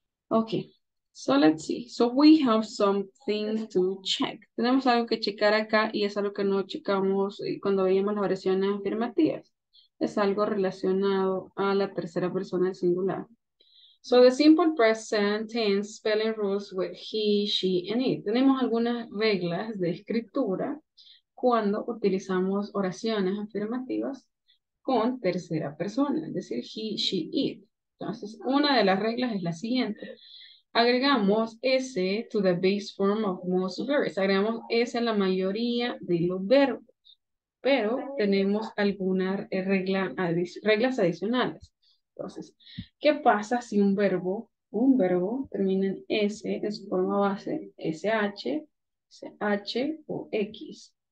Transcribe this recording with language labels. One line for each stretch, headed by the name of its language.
English: Okay, so let's see. So we have something to check.
Spanish: Tenemos algo que checar acá y es algo que no checamos cuando veíamos las oraciones afirmativas. Es algo relacionado a la tercera persona del singular.
English: So the simple present tense spelling rules with he, she, and it.
Spanish: Tenemos algunas reglas de escritura cuando utilizamos oraciones afirmativas con tercera persona, es decir, he, she, it. Entonces, una de las reglas es la siguiente. Agregamos
English: S to the base form of most verbs.
Spanish: Agregamos S a la mayoría de los verbos, pero tenemos algunas reglas adicionales. Entonces, ¿qué pasa si un verbo termina en S en su forma base, SH, CH o X?